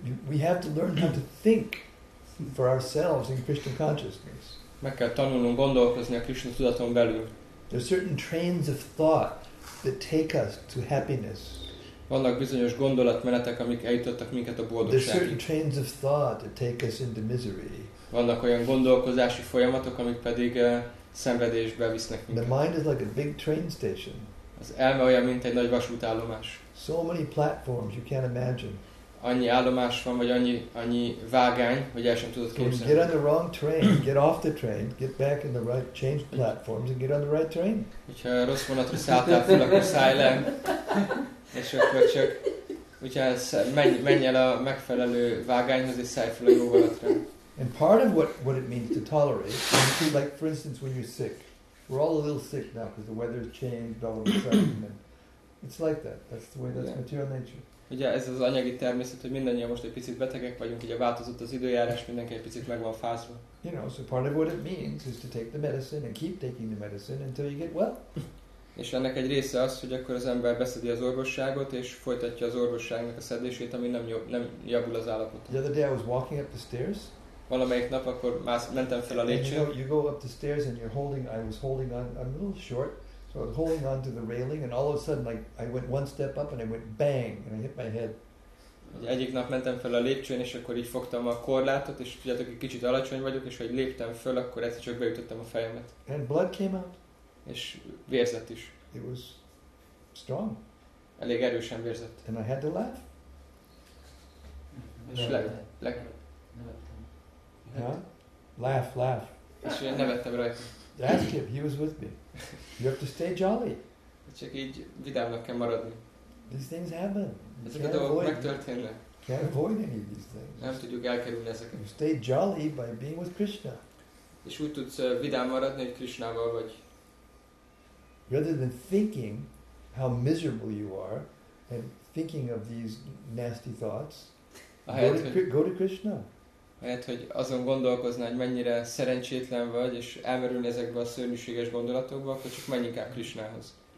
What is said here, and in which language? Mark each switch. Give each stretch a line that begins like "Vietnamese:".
English: We have to learn how to think for ourselves in Krishna consciousness.
Hungarian: Meg kell tanulnunk gondolkozni a Krishna tudaton belül.
English: There are certain trains of thought that take us to happiness.
Hungarian: Vannak bizonyos gondolatmenetek, amik eljutottak minket a boldogságig.
English: There are certain trains of thought that take us into misery.
Hungarian: Vannak olyan gondolkozási folyamatok, amik pedig szenvedésbe visznek minket.
English: The mind is like a big train station.
Hungarian: Az elme olyan, mint egy nagy vasútállomás.
English: So many platforms you can't imagine.
Hungarian: Annyi állomás van, vagy annyi vágány, hogy el sem tudod képzelni.
English: Get on the wrong train, get off the train, get back in the right, change platforms and get on the right train.
Hungarian: Hogyha rossz vonatra szálltál fel, akkor szállj le, és akkor csak, hogyha menj el a megfelelő vágányhoz, és szállj fel a jó vonatra.
English: And part of what it means to tolerate, like for instance when you're sick, we're all a little sick now because the weather has changed all of a sudden. It's like that. That's the way. That's material nature.
Hungarian: Ugye ez az anyagi természet, hogy mindannyian most egy picit betegek vagyunk, ugye változott az időjárás, mindenki egy picit meg van fázva.
English: You know, so part of what it means is to take the medicine and keep taking the medicine until you get well.
Hungarian: És ennek egy része az, hogy akkor az ember beszedi az orvosságot és folytatja az orvosságnak a szedését, ami nem javul az állapotot.
English: The other day I was walking up the stairs.
Hungarian: Valamelyik nap akkor mentem fel a lépcsőn.
English: You go up the stairs and you're holding. I was holding on. I'm a little short. I was holding on to the railing, and all of a sudden, like I went one step up, and I went bang, and I hit my head.
Hungarian: Egyik nap mentem fel a lépcsőn, és akkor így fogtam a korlátot, és tudjátok, egy kicsit alacsony vagyok, és hogy léptem föl, akkor ezt csak beütöttem a fejemet.
English: And blood came out.
Hungarian: És vérzett is.
English: It was strong.
Hungarian: Elég erősen vérzett.
English: And I had to laugh.
Hungarian: És nevettem.
English: Yeah? Laugh.
Hungarian: És én nevettem rajta.
English: Ask him, he was with me. You have to stay jolly.
Hungarian: Csak így vidámnak kell maradni.
English: These things happen.
Hungarian: Ezek a dolgok megtörténnek.
English: Can't avoid any of these things.
Hungarian: Nem tudjuk elkerülni ezeket.
English: You stay jolly by being with Krishna.
Hungarian: És úgy tudsz vidám maradni, hogy Krishnával vagy.
English: Rather than thinking how miserable you are and thinking of these nasty thoughts, go to Krishna.
Hungarian: Ahelyett, hogy azon gondolkoznál, hogy mennyire szerencsétlen vagy, és elmerülni ezekbe a szörnyűséges gondolatokba, akkor csak menj inkább Krishnához.